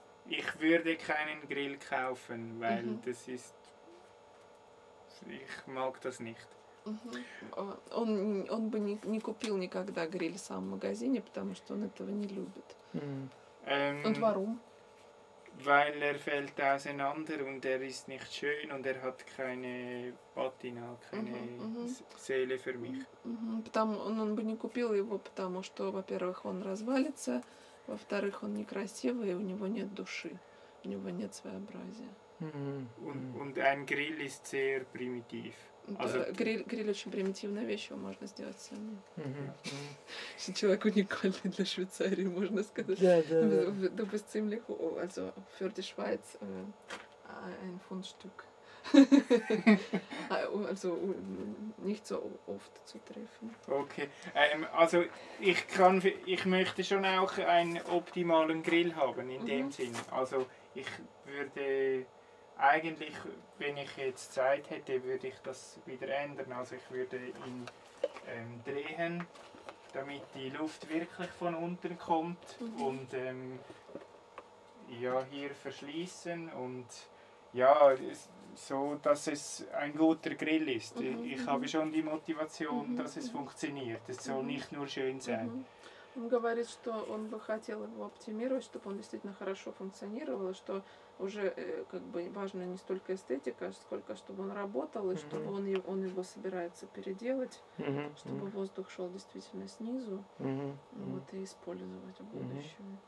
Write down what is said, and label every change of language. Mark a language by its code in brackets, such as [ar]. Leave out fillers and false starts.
[de] ich würde keinen Grill kaufen, weil das ist, ich mag das nicht. [ru] Он бы не купил никогда гриль сам в магазине, потому что он этого не любит. [de] Und warum? Weil er fällt auseinander und er ist nicht schön und er hat keine Patina, keine Seele für mich. [ru] Он бы не купил его, потому что, во-первых, он развалится, во-вторых, он некрасивый, у него нет души, у него нет своеобразия. [de] Und ein Grill ist sehr primitiv. Grill ist eine primitive Sache, die man selbst machen kann. Ein [ru] человек уникальный для Швейцарии, можно сказать. [de] Du bist ziemlich, also für die Schweiz ein Fundstück. Also nicht so oft zu treffen. Okay, also ich möchte schon auch einen optimalen Grill haben in dem Sinn. Also ich würde eigentlich, wenn ich jetzt Zeit hätte, würde ich das wieder ändern. Also ich würde ihn drehen, damit die Luft wirklich von unten kommt und ja, hier verschließen und ja, so, dass es ein guter Grill ist. Ich habe schon die Motivation, dass es funktioniert. Es soll nicht nur schön sein. [ru] Он говорит, что он бы хотел его оптимировать, чтобы он действительно хорошо функционировал, что уже как бы важно не столько эстетика, сколько чтобы он работал, и чтобы он его собирается переделать, чтобы воздух шел действительно снизу, вот и использовать в будущем.